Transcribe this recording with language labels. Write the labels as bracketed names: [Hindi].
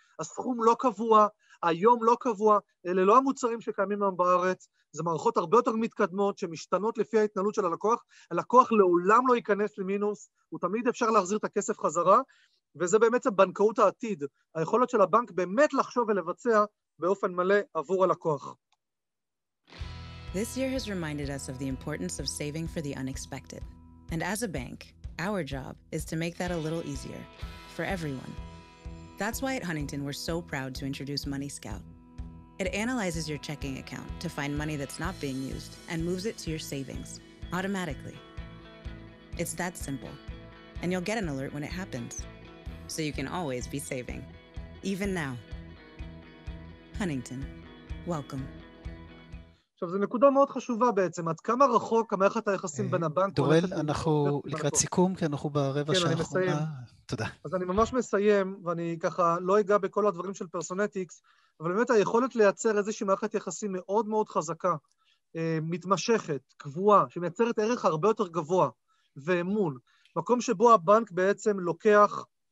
[Hebrew] הסכום לא קבוע, היום לא קבוע, אלה לא המוצרים שקיימים היום בארץ, זה מערכות הרבה יותר מתקדמות שמשתנות לפי ההתנהלות של הלקוח, הלקוח לעולם לא ייכנס למינוס, הוא תמיד אפשר להחזיר את הכסף חזרה, וזה באמת הבנקאות העתיד, היכולת של הבנק באמת לחשוב ולבצע באופן מלא עבור הלקוח. [English] This year has reminded us of the importance of saving for the unexpected. And as a bank, our job is to make that a little easier for everyone. That's why at Huntington we're so proud to introduce Money Scout. It analyzes your checking account to find money that's not being used and moves it to your savings automatically. It's that simple. And you'll get an alert when it happens. So you can always be saving, even now. Huntington, welcome. [Hebrew] עכשיו, זו נקודה מאוד חשובה בעצם, עד כמה רחוק המערכת היחסים בין הבנק... דורל, אנחנו לקראת סיכום, כי אנחנו ברבע שעה האחרונה. כן, אני מסיים. תודה. אז אני ממש מסיים, ואני ככה לא אגע בכל הדברים של פרסונטיקס, אבל באמת היכולת לייצר איזושהי מערכת יחסים מאוד מאוד חזקה, מתמשכת, קבועה, שמייצרת ערך הרבה יותר גבוה ואמון, מקום שבו הבנק בעצם לוקח